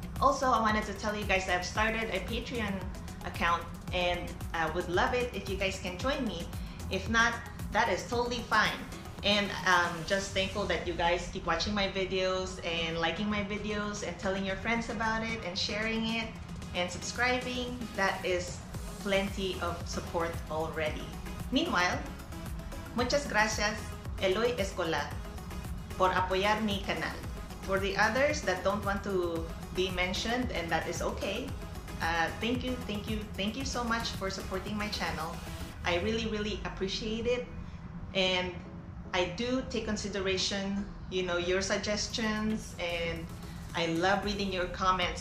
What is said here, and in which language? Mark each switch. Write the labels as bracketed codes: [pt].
[en] Also, I wanted to tell you guys I've started a Patreon account and I would love it if you guys can join me. If not, that is totally fine. And I'm just thankful that you guys keep watching my videos and liking my videos and telling your friends about it and sharing it and subscribing. That is plenty of support already. [es] Meanwhile, muchas gracias, Eloy Escola, por apoyar mi canal. [en] For the others that don't want to be mentioned, and that is okay, thank you so much for supporting my channel. I really, really appreciate it. And I do take consideration, you know, your suggestions, and I love reading your comments.